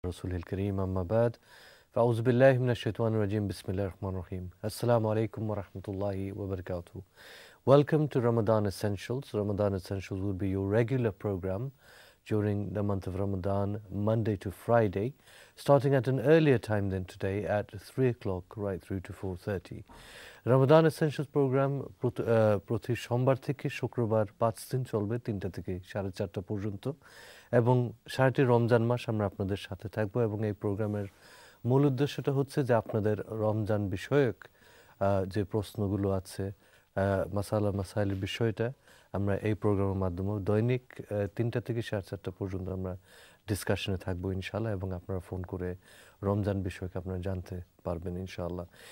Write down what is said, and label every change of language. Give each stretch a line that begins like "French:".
Arabic: رسوله الكريم، أما بعد، فأعوذ بالله من الشيطان الرجيم، بسم الله الرحمن الرحيم. السلام عليكم ورحمة الله وبركاته.
English: Welcome to Ramadan Essentials. Ramadan Essentials will be your regular program during the month of Ramadan, Monday to Friday, starting at an earlier time than today at 3 o'clock right through to 4:30.
Bangla: Ramadan Essentials program প্রতি সোমবার থেকে শুক্রবার 5 দিন চলবে, 3টা থেকে 4:30 পর্যন্ত, এবং সারাটি রমজান মাস আমরা আপনাদের সাথে থাকবো। এবং এই প্রোগ্রামের মূল উদ্দেশ্যটা হচ্ছে যে আপনাদের রমজান বিষয়ক যে প্রশ্নগুলো আছে, মাসাইলের বিষয়টা আমরা এই প্রোগ্রামের মাধ্যমে দৈনিক 3টা থেকে 4:30 পর্যন্ত আমরা ডিসকাশনে থাকবো ইনশাল্লাহ, এবং আপনারা ফোন করে রমজান বিষয়ক আপনারা জানতে পারবেন ইনশাল্লাহ।